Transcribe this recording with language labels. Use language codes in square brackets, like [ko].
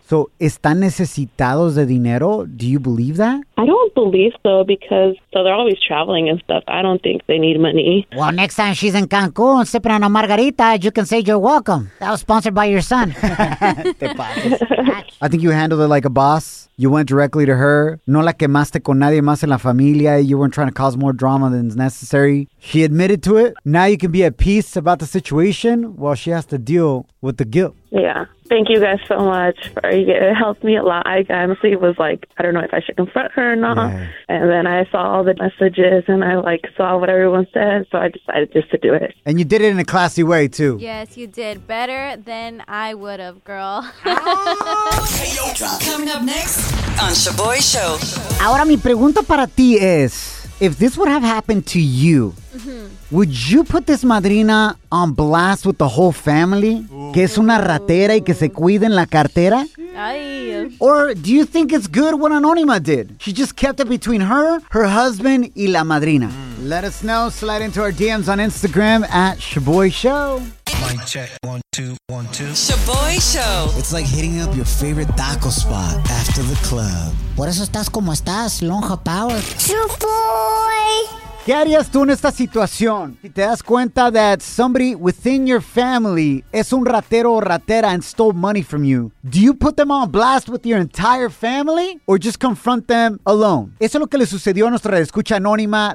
[en] So, ¿están necesitados de dinero? Do you believe that? I don't believe so because, so they're always traveling and stuff. I don't think they need money. Well, next time she's in Cancun sipping on a margarita, you can say you're welcome. That was sponsored by your son. I think you handled it like a boss. You went directly to her. [es] No la quemaste con nadie más en la familia. [en] You weren't trying to cause more drama than is necessary. She admitted to it. Now you can be at peace about the situation while she has to deal with the guilt. Yeah. Thank you guys so much. It helped me a lot. I honestly was like, I don't know if I should confront her or not. Yeah. And then I saw all the messages and I like saw what everyone said. So I decided just to do it. And you did it in a classy way too. Yes, you did. Better than I would have, girl. Coming up next on Shaboy Show. Ahora mi pregunta para ti es, if this would have happened to you, would you put this madrina on blast with the whole family? Ooh. [es] Que es una ratera y que se cuide en la cartera? Ay. [en] Or do you think it's good what Anonima did? She just kept it between her husband, y la madrina. Mm. Let us know. Slide into our DMs on Instagram at Shaboy Show. Mic check, 1, 2, 1, 2. Shaboy Show. It's like hitting up your favorite taco spot after the club. [es] Por eso estás como estás, lonja power. [en] Shaboy. [es] ¿Qué harías tú en esta situación? [en] Si te das cuenta that somebody within your family es un ratero o ratera and stole money from you, do you put them on blast with your entire family or just confront them alone? [es] Eso es lo que le sucedió a nuestra radioescucha anónima.